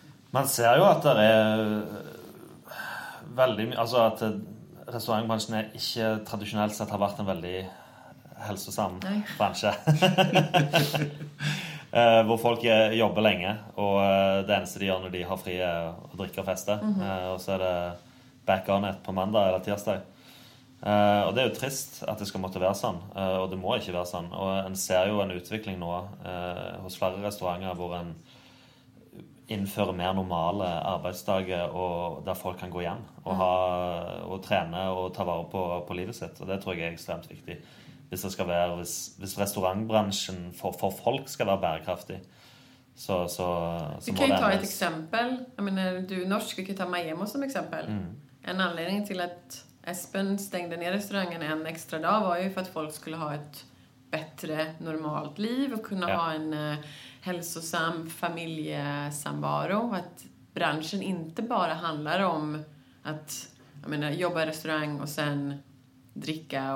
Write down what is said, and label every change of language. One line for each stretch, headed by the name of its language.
Swedish: Man ser ju att det är väldigt, alltså att restaurangbranschen är inte traditionellt sett har varit en väldigt hälsosam bransch. Hvor folk jobbar länge och det enda de gör när de har fri och dricker och festa. Mm-hmm. Och så är det
English: back on it
Swedish: på måndag eller tisdag.
Norwegian: Og det er jo trist at det skal måtte være sånn, og det må ikke være sånn. Og en ser jo en utvikling nå hos flere restauranter hvor en innfører mer normale arbeidsdager og der folk kan gå hjem og, ha, og trene og ta vare på livet sitt. Og det tror jeg er ekstremt viktig. Hvis det skal være, hvis restaurantbransjen for folk skal være bærekraftig, så må det endes. Vi kan jo ta et eksempel. Jeg mener, du norsk, vi kan ta Miami som eksempel. Mm.
Swedish: En anledning til at Espen stengde ned restaurangen en extra dag var ju för att folk skulle ha ett bättre normalt liv och kunna ha en hälsosam familjesamvaro. Att branschen inte bara handlar om att jag menar, jobba i restaurang och sen dricka.